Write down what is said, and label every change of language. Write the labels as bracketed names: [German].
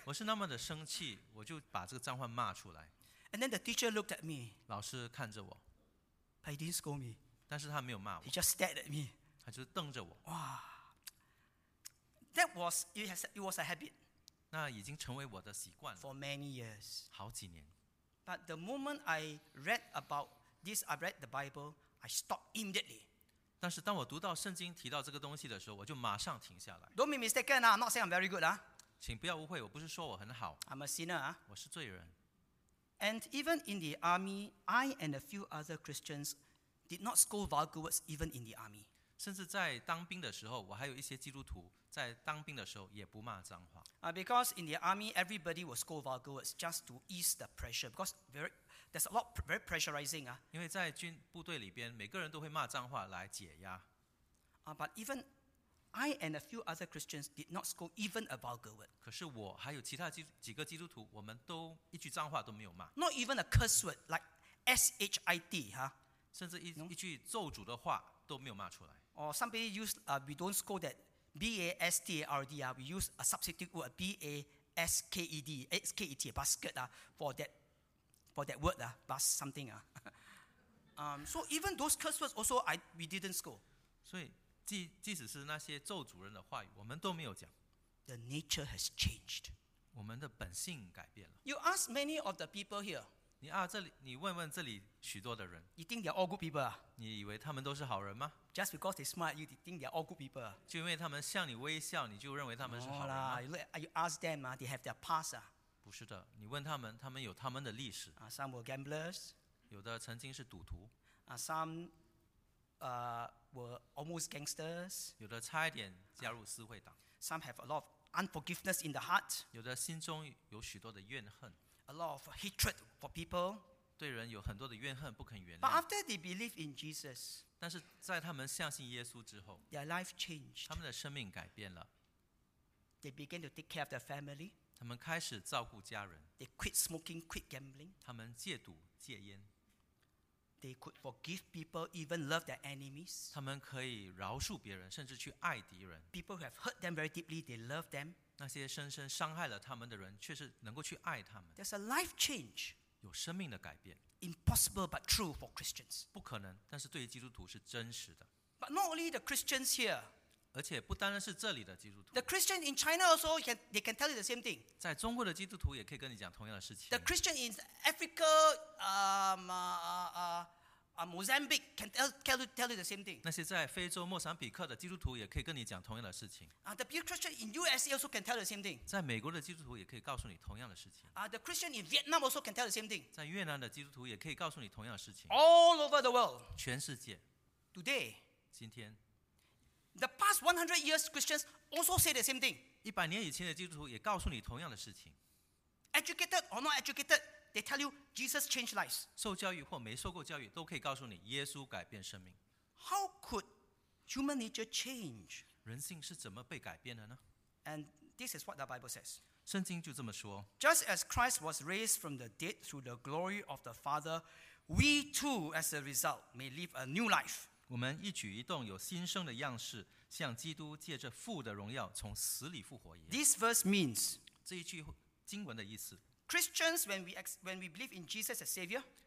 [Chinese] 我是那么的生气，我就把这个脏话骂出来。 [English] And then the teacher looked at me. [Chinese] 老师看着我。 [English] But he didn't scold me. [Chinese] 但是他没有骂我。 [English] He just stared at me. [Chinese] 他就瞪着我。 [English] Wow. It was a habit. [Chinese] 那已经成为我的习惯了。 [English] For many years. [Chinese] 好几年。 [English] But the moment I read about this, I read the Bible, I stopped immediately. [Chinese] 但是当我读到圣经提到这个东西的时候，我就马上停下来。 [English] Don't be mistaken, I'm not saying I'm very good. [Chinese] 请不要误会，我不是说我很好。 [English] I'm a sinner. [Chinese] 我是罪人。 [English] And even in the army, I and a few other Christians did not scold vulgar words even in the army. [Chinese] 甚至在当兵的时候，我还有一些基督徒在当兵的时候也不骂脏话。 [English] Because in the army, everybody will scold vulgar words just to ease the pressure. Because there's a lot very pressurizing. [Chinese] 因为在军部队里边，每个人都会骂脏话来解压。 [English] But even I and a few other Christians did not scold even a vulgar word. [Chinese] 可是我还有其他几个基督徒，我们都一句脏话都没有骂。 [English] Not even a curse word like shit, huh? [Chinese] 甚至一句咒诅的话都没有骂出来。 [English] Or somebody used, we don't scold that bastard, we use a substitute word, basket, basket, for that word, bus something. So even those curse words also, we didn't scold. [Chinese] 所以即使是那些咒诅人的话语，我们都没有讲。 [English] The nature has changed. [Chinese] 我们的本性改变了。 [English] You ask many of the people here. [Chinese] 你问问这里许多的人。 [English] You think they're all good people? [Chinese] 你以为他们都是好人吗？ [English] Just because they smile, you think they're all good people? [Chinese] 就因为他们向你微笑，你就认为他们是好人吗？ [English] No, you ask them, they have their past. [Chinese] 不是的，你问他们，他们有他们的历史。 [English] Some were gamblers. [Chinese] 有的曾经是赌徒。 [English] Some were almost gangsters. [Chinese] 有的差一点加入私会党。 [English] Some have a lot of unforgiveness in the heart. [Chinese] 有的心中有许多的怨恨。 [English] A lot of hatred for people. [Chinese] 对人有很多的怨恨，不肯原谅。 [English] But after they believe in Jesus, [Chinese] 但是在他们相信耶稣之后， [English] their life changed. [Chinese] 他们的生命改变了。 [English] They began to take care of their family. [Chinese] 他们开始照顾家人。 [English] They quit smoking, quit gambling. [Chinese] 他们戒赌戒烟。 [English] They could forgive people, even love their enemies. [Chinese] 他们可以饶恕别人，甚至去爱敌人。 [English] People who have hurt them very deeply, they love them. [Chinese] 那些深深伤害了他们的人，却是能够去爱他们。 [English] There's a life change. [Chinese] 有生命的改变。 [English] Impossible but true for Christians. [Chinese] 不可能，但是对于基督徒是真实的。 [English] But not only the Christians here. The Christian in China also they can tell you the same thing. [Chinese] 在中国的基督徒也可以跟你讲同样的事情。 [English] The Christian in Africa, Mozambique can tell you the same thing. [Chinese] 那些在非洲莫桑比克的基督徒也可以跟你讲同样的事情。 [English] The Christian in USA also can tell the same thing. [Chinese] 在美国的基督徒也可以告诉你同样的事情。 [English] The Christian in Vietnam also can tell the same thing. [Chinese] 在越南的基督徒也可以告诉你同样的事情。 [English] All over the world. [Chinese] 全世界。 [English] Today. [Chinese] 今天。 [English] The past 100 years, Christians also say the same thing. [Chinese] 100年以前的基督徒也告诉你同样的事情。 [English] Educated or not educated, they tell you Jesus changed lives. [Chinese] 受教育或没受过教育都可以告诉你耶稣改变生命。 [English] How could human nature change? [Chinese] 人性是怎么被改变的呢？ [English] And this is what the Bible says. [Chinese] 圣经就这么说。 [English] Just as Christ was raised from the dead through the glory of the Father, we too, as a result, may live a new life. [Chinese] 我们一举一动有新生的样式，像基督借着父的荣耀从死里复活一样。 [English] This verse means [Chinese] 这一句经文的意思。 [English] Christians, when we believe in Jesus as Savior,